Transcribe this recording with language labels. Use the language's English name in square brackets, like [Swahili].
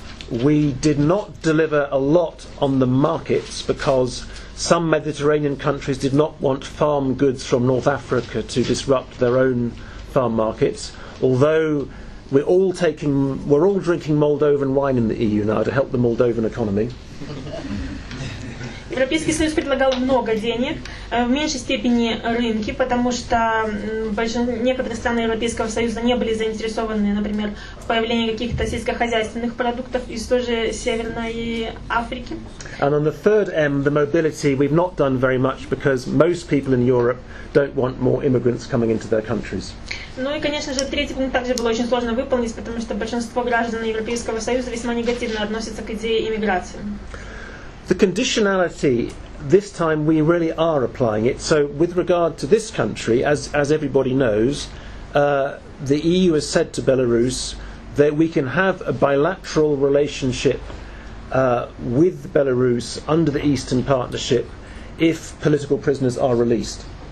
[English] We did not deliver a lot on the markets because some Mediterranean countries did not want farm goods from North Africa to disrupt their own farm markets. Although we're all drinking Moldovan wine in the EU now to help the Moldovan economy. [Russian] Европейский Союз предлагал много денег, в меньшей степени рынки, потому что некоторые страны Европейского Союза не были заинтересованы, например, в появлении каких-то сельскохозяйственных продуктов из той же Северной Африки. [English] And on the third M, the mobility, we've not done very much because most people in Europe don't want more immigrants coming into their countries. [Russian] Ну и, конечно же, третий пункт также было очень сложно выполнить, потому что большинство граждан Европейского Союза весьма негативно относятся к идее иммиграции. [English] The conditionality, this time we really are applying it. So with regard to this country, as everybody knows, the EU has said to Belarus that we can have a bilateral relationship with Belarus under the Eastern Partnership if political prisoners are released.